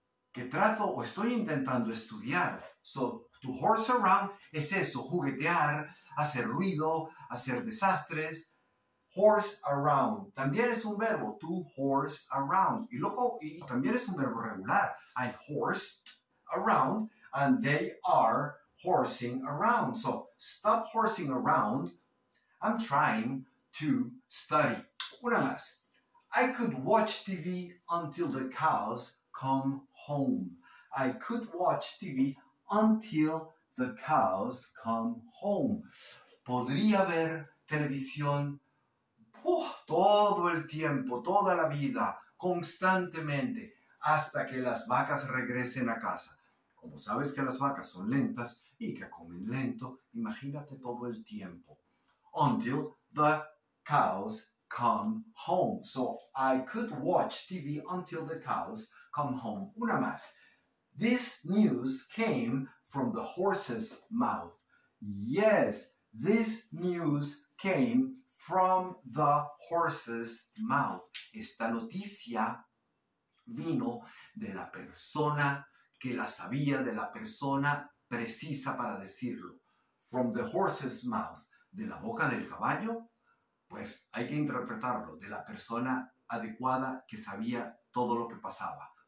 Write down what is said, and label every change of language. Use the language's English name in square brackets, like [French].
[Spanish] ¿Qué trato o estoy intentando estudiar? [English] So, to horse around [Spanish] es eso, juguetear, hacer ruido, hacer desastres. horse around. También es un verbo, [English] to horse around. [Spanish] Y loco, y también es un verbo regular. [English] I horsed around and they are horsing around. So, stop horsing around. I'm trying to study. [Spanish] Una más. [English] I could watch TV until the cows come home. I could watch TV until the cows come home. [Spanish] Podría ver televisión todo el tiempo, toda la vida, constantemente, hasta que las vacas regresen a casa. Como sabes que las vacas son lentas y que comen lento, imagínate todo el tiempo. [English] Until the cows come home. So, I could watch TV until the cows come home. [Spanish] Una más. [English] This news came from the horse's mouth. Yes, this news came from the horse's mouth. [Spanish] Esta noticia vino de la persona que la sabía, de la persona precisa para decirlo. [English] From the horse's mouth. [Spanish] De la boca del caballo, pues hay que interpretarlo de la persona adecuada que sabía todo lo que pasaba.